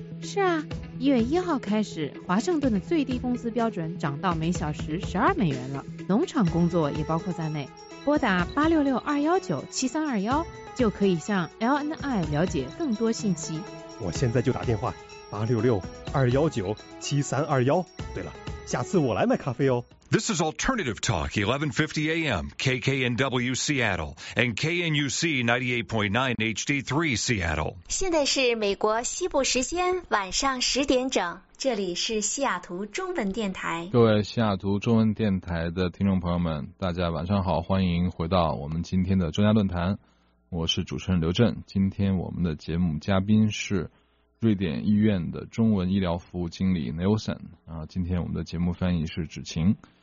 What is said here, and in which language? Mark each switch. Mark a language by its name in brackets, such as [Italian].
[Chinese] 是啊，1月1号开始，华盛顿的最低工资标准涨到每小时$12了，农场工作也包括在内。拨打866-219-7321，就可以向 LNI 了解更多信息。我现在就打电话，866-219-7321。对了，下次我来买咖啡哦。 [English] This is Alternative Talk, 1150 AM, KKNW Seattle, and KNUC 98.9 HD3 Seattle. [Chinese] 现在是美国西部时间晚上10点整，这里是西雅图中文电台。各位西雅图中文电台的听众朋友们，大家晚上好，欢迎回到我们今天的专家论坛。我是主持人刘震，今天我们的节目嘉宾是瑞典医院的中文医疗服务经理 Nelson， 今天我们的节目翻译是芷晴。